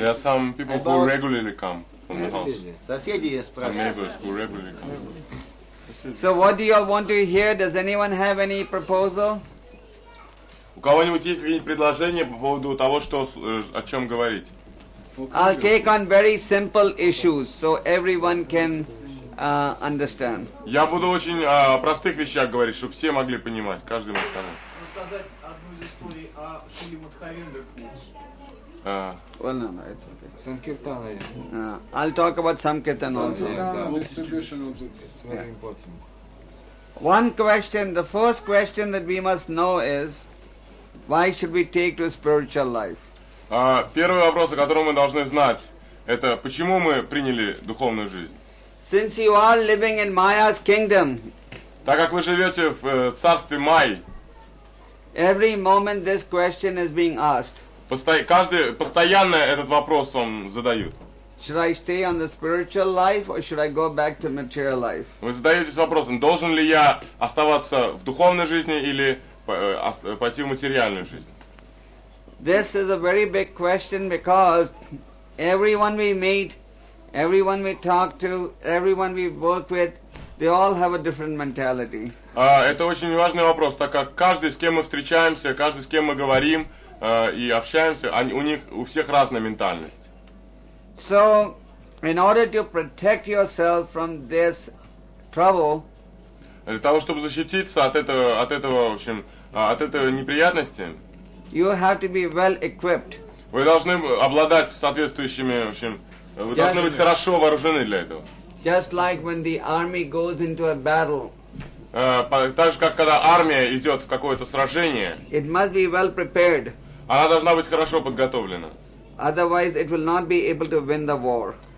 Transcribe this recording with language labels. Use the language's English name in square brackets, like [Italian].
[English] There are some people who regularly come from the house. [Russian] Соседи, я спрашиваю. [English] Some neighbors who regularly come. So what do you all want to hear? Does anyone have any proposal? [Russian] У кого-нибудь есть какие-нибудь предложения по поводу того, что о чем говорить? [English] I'll take on very simple issues so everyone can understand. [Russian] Я буду очень о простых вещах говорить, чтобы все могли понимать, каждый мог понять. Рассказать одну из историй о Шриле [English] Мадхавендра. Well, no, it's okay. [Russian] Санкиртана. [English] I'll talk about Санкиртана also. One question, the first question that we must know is why should we take to spiritual life? [Russian] Первый вопрос, о котором мы должны знать, это почему мы приняли духовную жизнь. [English] Since you are living in Maya's kingdom, [Russian] так как вы живете в царстве Май, [English] every moment this question is being asked. [Russian] Постоянно этот вопрос вам задают. [English] Should I stay on the spiritual life or should I go back to material life? [Russian] Вы задаетесь вопросом, должен ли я оставаться в духовной жизни или пойти в материальную жизнь? [English] This is a very big question because everyone we meet, everyone we talk to, everyone we work with, they all have a different mentality. [Russian] Это очень важный вопрос, так как каждый, с кем мы встречаемся, каждый, с кем мы говорим и общаемся, у всех разная ментальность. [English] So, in order to protect yourself from this trouble, [Russian] для того, чтобы защититься от этой неприятности, [English] you have to be well equipped. [Russian] Вы должны обладать соответствующими, в общем, вы just, должны быть хорошо вооружены для этого. [English] Just like when the army goes into a battle. [Russian] Так же, как когда армия идет в какое-то сражение. [English] It must be well prepared. [Russian] Она должна быть хорошо подготовлена. [English] Otherwise, it will not be able to win the war.